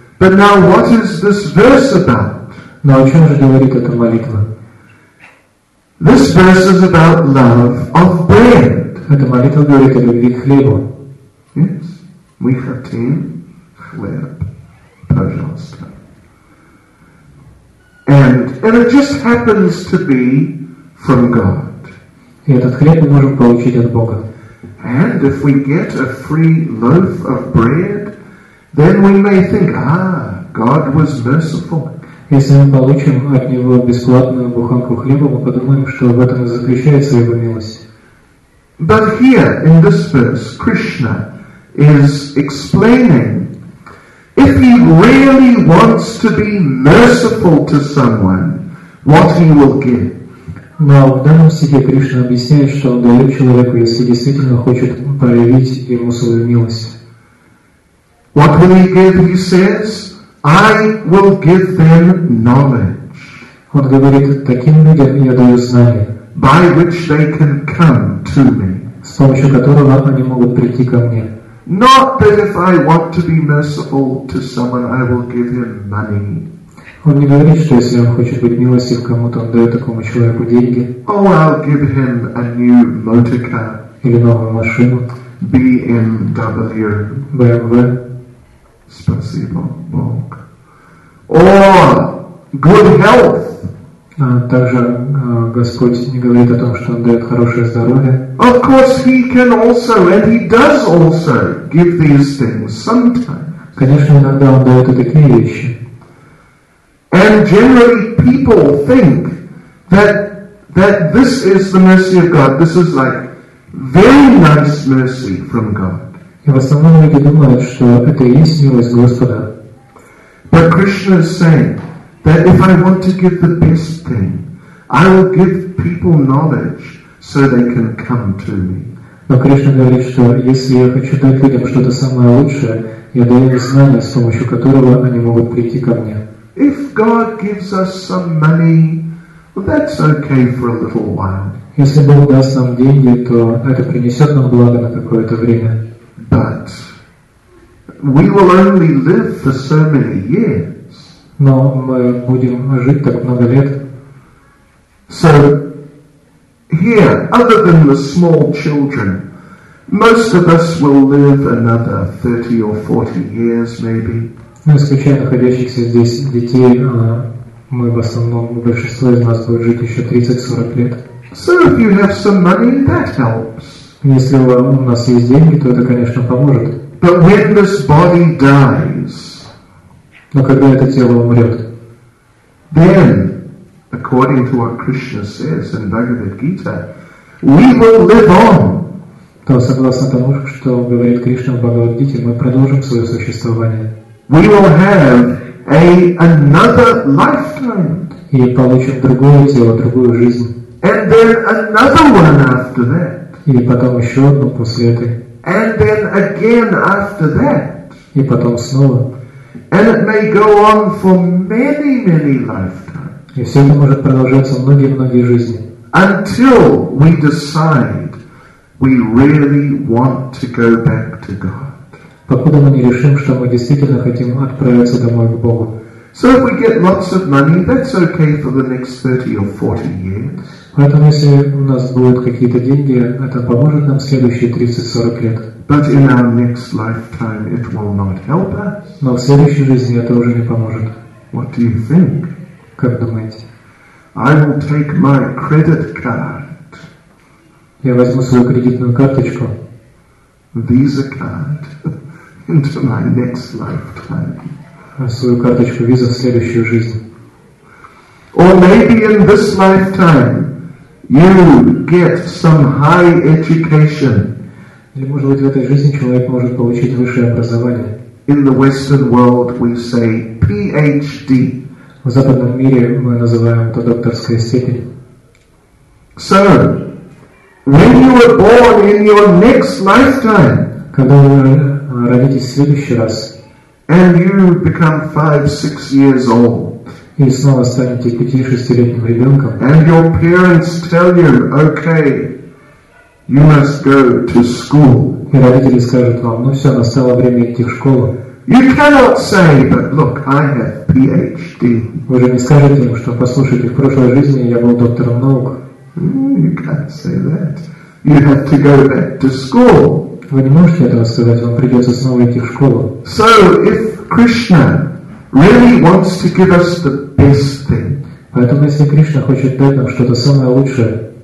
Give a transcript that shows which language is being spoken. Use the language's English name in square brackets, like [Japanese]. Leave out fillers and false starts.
[English] But now what is this verse about? [Russian] Но о чем же говорит эта молитва? [English] This verse is about love of bread. [Russian] Эта молитва говорит о любви к хлебу. [English] Yes. [Russian] Мы хотим хлеб, пожалуйста. [English] And it just happens to be from God. [Russian] И этот хлеб мы можем получить от Бога. [English] And if we get a free loaf of bread, then we may think, God was merciful. [Russian] Если мы получим от него бесплатную буханку хлеба, мы подумаем, что в этом и заключается его милость. [English] But here, in this verse, Krishna is explaining, if he really wants to be merciful to someone, what he will give. [Russian] Но в данном стихе Кришна объясняет, что он дает человеку, если действительно хочет проявить ему свою милость. [English] What will he give? He says, I will give them knowledge. [Russian] Он говорит, таким людям я даю знание. [English] By which they can come to me. [Russian] С помощью которого они могут прийти ко мне. [English] Not that if I want to be merciful to someone, I will give him money. [Russian] Он не говорит, что если он хочет быть милостив кому-то, он дает такому человеку деньги. [English] Oh, I'll give him a new motor car. [Russian] Или новую машину. [English] BMW. [Russian] BMW. Спасибо, Бог. [English] Or good health. [Russian] Также Господь не говорит о том, что Он дает хорошее здоровье. [English] Of course He can also, and He does also, give these things sometimes. [Russian] Конечно, иногда Он дает и такие вещи. [English] And generally people think that this is the mercy of God. This is like very nice mercy from God. [Russian] И в основном люди думают, что это и есть милость Господа. [English] But Krishna is saying that if I want to give the best thing, I will give people knowledge so they can come to me. [Russian] Но Кришна говорит, что если я хочу дать людям что-то самое лучшее, я даю им знание, с помощью которого они могут прийти ко мне. [English] If God gives us some money, well, that's okay for a little while. [Russian] Если Бог даст нам деньги, то это принесет нам благо на какое-то время. [English] But we will only live for so many years. [Russian] Но мы будем жить так много лет. [English] So here, other than the small children, most of us will live another 30 or 40 years, maybe. [Russian] Ну, исключая находящихся здесь детей, мы в основном, большинство из нас будет жить еще 30-40 лет. [English] So if you have some money, that helps. [Russian] Если у нас есть деньги, то это, конечно, поможет. [English] But when this body dies. [Russian] Но когда это тело умрет, [English] then, according to what Krishna says in Bhagavad Gita, we will live on. [Russian] То согласно тому, что говорит Кришна в Бхагавад Гите, мы продолжим свое существование. [English] We will have another lifetime. [Russian] И получим другое тело, другую жизнь. [English] And then another one after that. [Russian] И потом еще одну после этой. [English] And then again after that. [Russian] И потом снова. [English] And it may go on for many, many lifetimes. [Russian] И все это может продолжаться многие-многие жизни. [English] Until we decide we really want to go back to God. [Russian] Покуда мы не решим, что мы действительно хотим отправиться домой к Богу. [English] So if we get lots of money, that's okay for the next 30 or 40 years. [Russian] Поэтому если у нас будут какие-то деньги, это поможет нам в следующие 30-40 лет. [English] But in our next lifetime it will not help us. [Russian] Но в следующей жизни это уже не поможет. [English] What do you think? [Russian] Как думаете? [English] I will take my credit card. [Russian] Я возьму свою кредитную карточку. [English] Visa card into my next lifetime. [Russian] А свою карточку Visa в следующую жизнь. [English] Or maybe in this lifetime you get some high education. [Russian] Или, может быть, в этой жизни человек может получить высшее образование. [English] In the Western world we say PhD. [Russian] В западном мире мы называем это докторская степень. [English] So, when you were born in your next lifetime, [Russian] когда вы родитесь в следующий раз, [English] and you become 5-6 years old, [Russian] и снова станете 5-6-летним ребенком, [English] and your parents tell you, okay, you must go to school. [Russian] И родители скажут вам, ну все, настало время идти в школу. [English] You cannot say, but look, I have PhD. [Russian] Вы же не скажете им, что послушайте, в прошлой жизни я был доктором наук. [English] You can't say that. You have to go back to school. [Russian] Вы не можете этого сказать, вам придется снова идти в школу. [English] So if Krishna really wants to give us the best thing, [Russian] поэтому если Кришна хочет дать нам что-то самое лучшее,